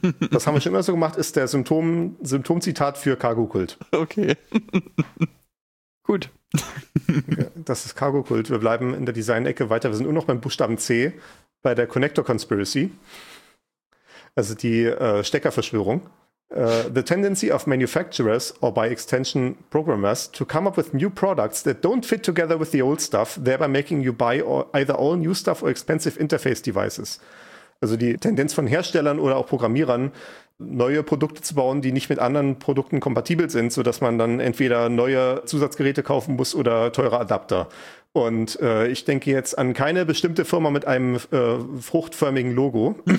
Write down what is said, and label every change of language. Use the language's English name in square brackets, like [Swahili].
[German] Das haben wir schon immer so gemacht, ist der Symptomzitat für Cargo-Kult. Okay. Gut. Das ist Cargo-Kult. Wir bleiben in der Design-Ecke weiter. Wir sind nur noch beim Buchstaben C, bei der Connector-Conspiracy. Also die Steckerverschwörung. [English] The tendency of manufacturers, or by extension programmers, to come up with new products that don't fit together with the old stuff, thereby making you buy either all new stuff or expensive interface devices. [German] Also die Tendenz von Herstellern oder auch Programmierern, neue Produkte zu bauen, die nicht mit anderen Produkten kompatibel sind, sodass man dann entweder neue Zusatzgeräte kaufen muss oder teure Adapter. Und ich denke jetzt an keine bestimmte Firma mit einem fruchtförmigen Logo.